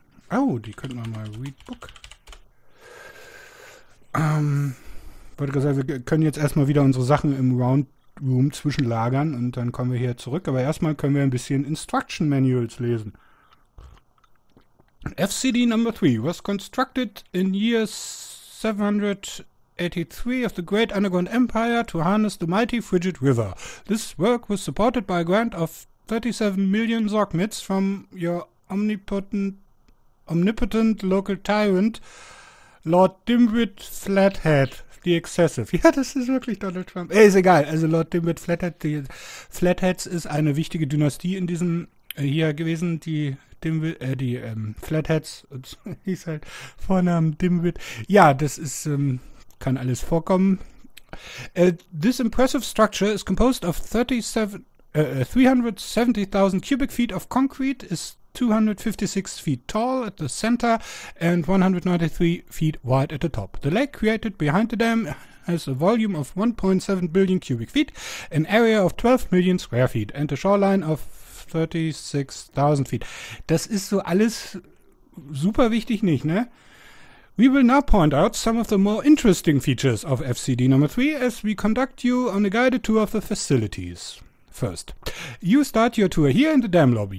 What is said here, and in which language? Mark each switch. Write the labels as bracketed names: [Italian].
[German] Oh, die könnten wir mal Readbook. Wollte gerade sagen, wir können jetzt erstmal wieder unsere Sachen im Round Room zwischenlagern und dann kommen wir hier zurück. Aber erstmal können wir ein bisschen Instruction Manuals lesen. [English] FCD Number 3 was constructed in year 783 of the Great Underground Empire to harness the mighty Frigid River. This work was supported by a grant of 37 million Zogmits from your omnipotent local tyrant, Lord Dimwit Flathead, the Excessive. [German] Ja, das ist wirklich Donald Trump. Ey, ist egal. Also Lord Dimwit Flathead, die Flatheads ist eine wichtige Dynastie in diesem hier gewesen. Die Dimwit, Flatheads, hieß halt Vornamen Dimwit. Ja, das ist, kann alles vorkommen. [English] This impressive structure is composed of 370,000 cubic feet of concrete, is 256 feet tall at the center and 193 feet wide at the top. The lake created behind the dam has a volume of 1.7 billion cubic feet, an area of 12 million square feet and a shoreline of 36,000 feet. [German] Das ist so alles super wichtig nicht, ne? [English] We will now point out some of the more interesting features of FCD number 3 as we conduct you on a guided tour of the facilities. First, you start your tour here in the dam lobby.